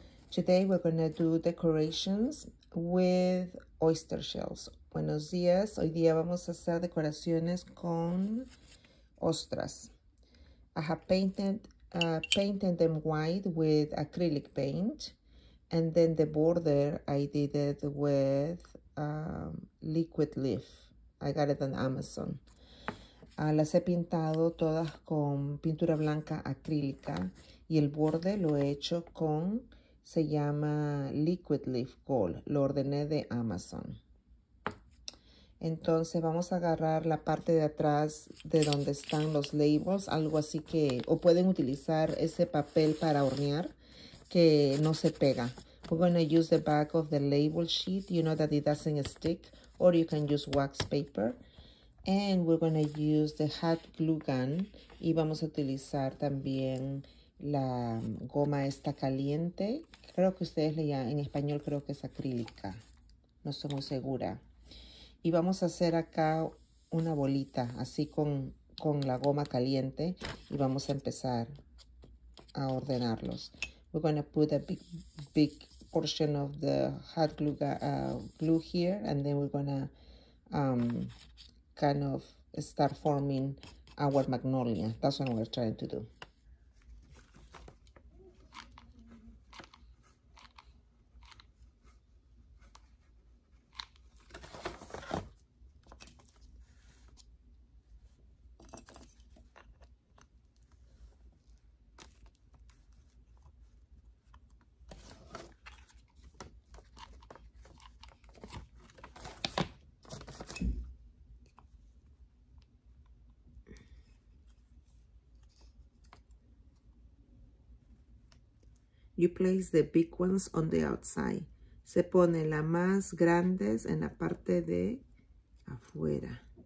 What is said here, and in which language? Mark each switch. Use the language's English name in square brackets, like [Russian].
[English] Today we're going to do decorations with oyster shells. [Spanish] Buenos días. Hoy día vamos a hacer decoraciones con ostras. [English] I have painted them white with acrylic paint, and then the border I did it with liquid leaf. I got it on Amazon. Las he pintado todas con pintura blanca acrílica y el borde lo he hecho con, se llama Liquid Leaf Gold, lo ordené de Amazon. [Spanish] Entonces vamos a agarrar la parte de atrás de donde están los labels, algo así que, o pueden utilizar ese papel para hornear que no se pega. [English] We're going to use the back of the label sheet, you know that it doesn't stick, or you can use wax paper. And we're going to use the hot glue gun [Spanish] y vamos a utilizar también la goma esta caliente. Creo que ustedes le llaman, en español creo que es acrílica. No estoy muy segura. Y vamos a hacer acá una bolita así con la goma caliente y vamos a empezar a ordenarlos. [English] We're going to put a big portion of the hot glue here and then we're going to kind of start forming our magnolia. That's what we're trying to do. You place the big ones on the outside. [Spanish] Se pone las más grandes en la parte de afuera.